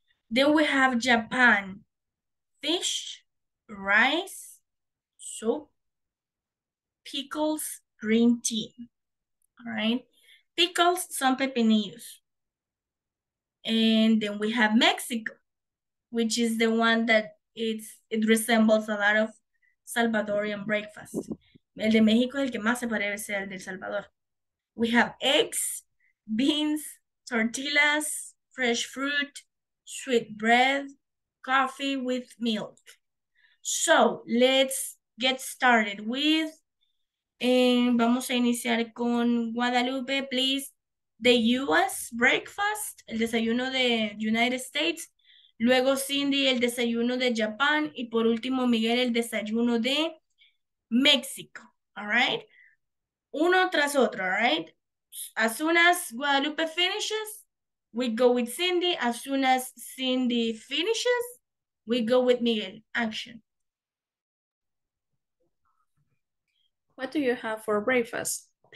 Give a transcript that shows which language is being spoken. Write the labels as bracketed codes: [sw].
[en] Then we have Japan, fish, rice, soup, pickles, green tea, all right? Pickles, some pepinillos. And then we have Mexico, which is the one that it resembles a lot of Salvadorian breakfast. [es] El de México es el que más se parece al del Salvador. [en] We have eggs, beans, tortillas, fresh fruit, sweet bread, coffee with milk. So let's get started with, [es] vamos a iniciar con [en] Guadalupe, please. The US breakfast, [es] el desayuno de [en] United States. [es] Luego Cindy, el desayuno de Japan. Y por último Miguel, el desayuno de Mexico. [en] All right? [es] Uno tras otro, [en] all right? As soon as Guadalupe finishes, we go with Cindy. As soon as Cindy finishes, we go with Miguel. Action. What do you have for breakfast?